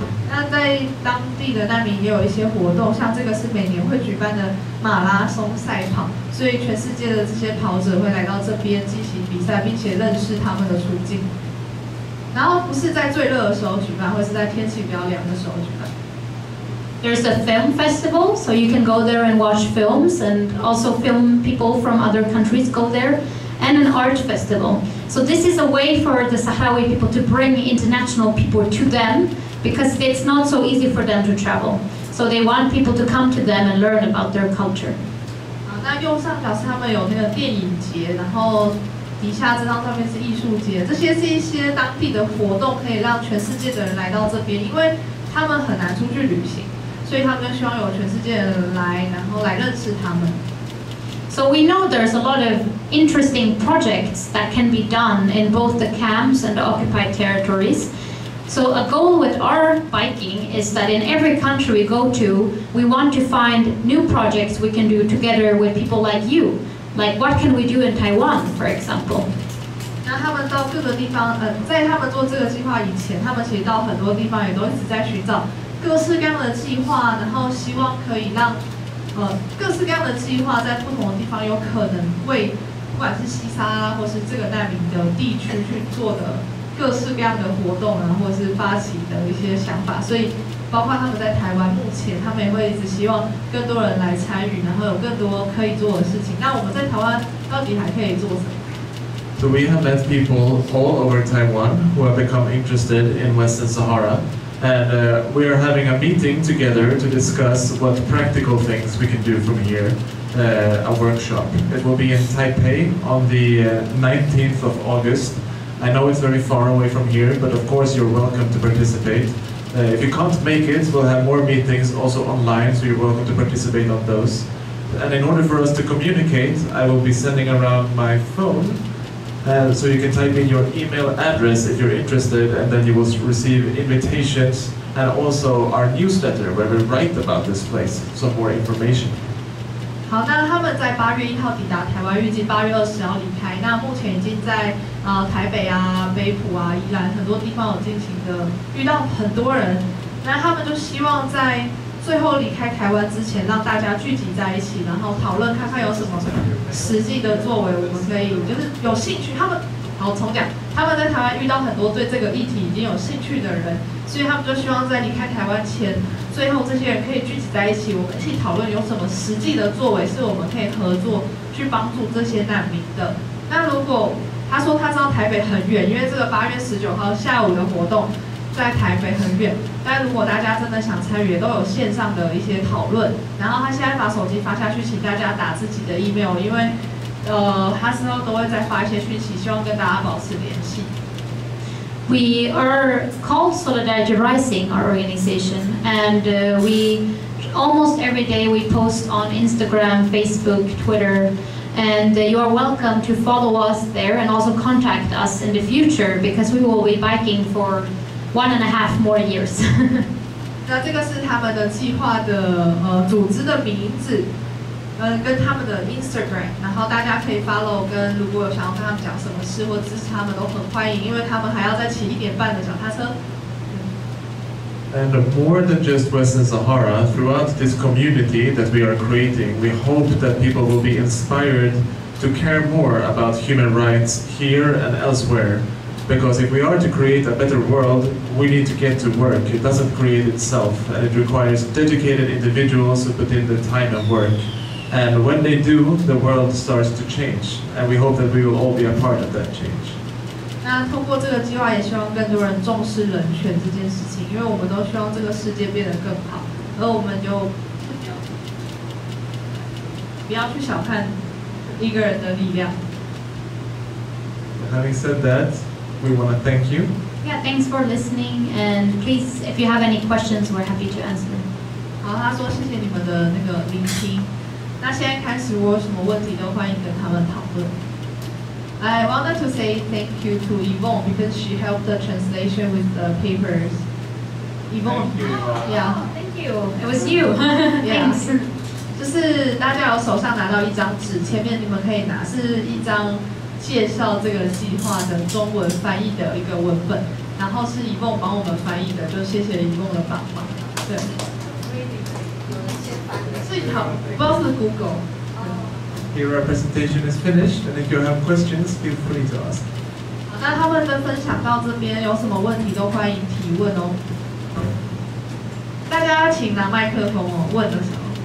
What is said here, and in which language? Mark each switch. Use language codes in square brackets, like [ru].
[zh] 那在当地的难民也有一些活动，像这个是每年会举办的马拉松赛跑，所以全世界的这些跑者会来到这边进行比赛，并且认识他们的处境。然后不是在最热的时候举办，或是在天气比较凉的时候举办。 [en] There's a film festival, so you can go there and watch films, and also film people from other countries go there, and an art festival. So this is a way for the Sahrawi people to bring international people to them, because it's not so easy for them to travel. So they want people to come to them and learn about their culture. [zh] 那右上角是他们有那个电影节，然后底下这张照片是艺术节，这些是一些当地的活动，可以让全世界的人来到这边，因为他们很难出去旅行。所以他们希望有全世界的人来，然后来认识他们。 [en] So we know there's a lot of interesting projects that can be done in both the camps and the occupied territories. So a goal with our biking is that in every country we go to, we want to find new projects we can do together with people like you. Like what can we do in Taiwan, for example? [zh] 那他们到各个地方，在他们做这个计划以前，他们其实到很多地方也都一直在寻找。各式各样的计划，然后希望可以让，各式各样的计划在不同的地方有可能为不管是西撒哈拉或是这个难民的地区去做的各式各样的活动啊，或是发起的一些想法。所以，包括他们在台湾，目前他们也会一直希望更多人来参与，然后有更多可以做的事情。那我们在台湾到底还可以做什么？ [en] So we have met people all over Taiwan who have become interested in Western Sahara. And we are having a meeting together to discuss what practical things we can do from here, a workshop. It will be in Taipei on the 19th of August. I know it's very far away from here, but of course you're welcome to participate. If you can't make it, we'll have more meetings also online, so you're welcome to participate on those. And in order for us to communicate, I will be sending around my phone. So you can type in your email address if you're interested, and then you will receive invitations and also our newsletter where we write about this place, some more information. [zh] 好，那他们在8月1号抵达台湾，预计8月20号离开。那目前已经在台北啊、北埔啊、宜兰很多地方有进行的，遇到很多人。那他们就希望在最后离开台湾之前，让大家聚集在一起，然后讨论看看有什么。实际的作为，我们可以就是有兴趣。他们好重讲，他们在台湾遇到很多对这个议题已经有兴趣的人，所以他们就希望在离开台湾前，最后这些人可以聚集在一起，我们一起讨论有什么实际的作为是我们可以合作去帮助这些难民的。那如果他说他知道台北很远，因为这个8月19号下午的活动在台北很远，但如果大家真的想参与，也都有线上的一些讨论。然后他现在把手机发下去，请大家打自己的 email， 因为他之后都会再发一些讯息，希望跟大家保持联系。 [en] We are called Solidarity Rising, our organization, and we almost every day we post on Instagram, Facebook, Twitter. And you are welcome to follow us there and also contact us in the future because we will be biking for 1.5 more years. [zh] 那这个是他们的计划的组织的名字，跟他们的 Instagram， 然后大家可以 follow， 跟如果有想要跟他们讲什么事或支持他们都很欢迎，因为他们还要再骑1.5的脚踏车。 [en] And more than just Western Sahara, throughout this community that we are creating, we hope that people will be inspired to care more about human rights here and elsewhere. because if we are to create a better world, we need to get to work. It doesn't create itself, and it requires dedicated individuals to put in the time and work. And when they do, the world starts to change, and we hope that we will all be a part of that change. [zh] 那通过这个计划，也希望更多人重视人权这件事情，因为我们都希望这个世界变得更好，而我们就不要去小看一个人的力量。 [en] Having said that, we want to thank you. Yeah, thanks for listening. And please, if you have any questions, we're happy to answer. [zh] 好，他说谢谢你们的那个聆听。那现在开始，我有什么问题都欢迎跟他们讨论。 [en] I wanted to say thank you to Yvonne because she helped the translation with the papers. Yvonne, thank you. Yeah. Thank you. It was you. Yeah. Thanks. [zh] 就是大家有手上拿到一张纸，前面你们可以拿是一张介绍这个计划的中文翻译的一个文本，然后是Yvonne帮我们翻译的，就谢谢Yvonne的帮忙。对，所以好，不知道是 Google。 [en] Your presentation is finished, and if you have questions, feel free to ask. [zh] 好，那他们的分享到这边，有什么问题都欢迎提问哦。大家请拿麦克风哦，问的时候。